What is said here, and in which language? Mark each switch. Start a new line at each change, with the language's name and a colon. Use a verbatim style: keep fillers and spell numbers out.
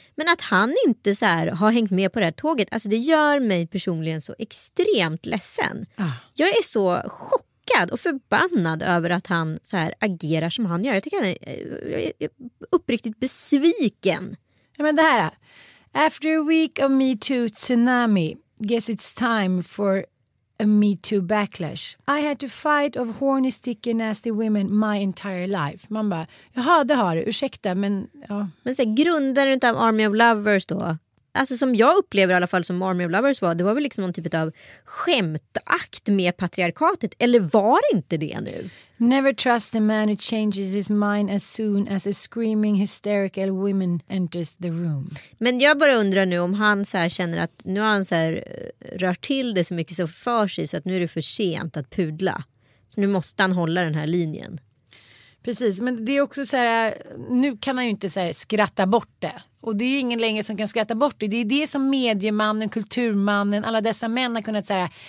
Swedish: Men att han inte så här har hängt med på det här tåget. Alltså det gör mig personligen så extremt ledsen. Ah. Jag är så chockad och förbannad över att han så här agerar som han gör. Jag tycker han är, jag är uppriktigt besviken. Ja, men det här.
English: After a week of Me Too tsunami, guess it's time for a Me Too backlash. I had to fight of horny, sticky, nasty women my entire life.
Swedish: Man bara, jaha, det har du, ursäkta, men... Ja. Men så här, grundaren utav Army of Lovers då, alltså som jag upplever i alla fall som Army of Lovers var, det var väl liksom någon typ av skämtakt med patriarkatet, eller var inte det nu?
English: Never trust a man who changes his mind as soon as a screaming hysterical woman enters the room.
Swedish: Men jag bara undrar nu om han så här känner att nu har han så här rört till det så mycket så för sig så att nu är det för sent att pudla. Så nu måste han hålla den här linjen. Precis, men det är också så här, nu kan han ju inte så här skratta bort det. Och det är ju ingen längre som kan skratta bort det. Det är det som mediemannen, kulturmannen, alla dessa män har kunnat säga.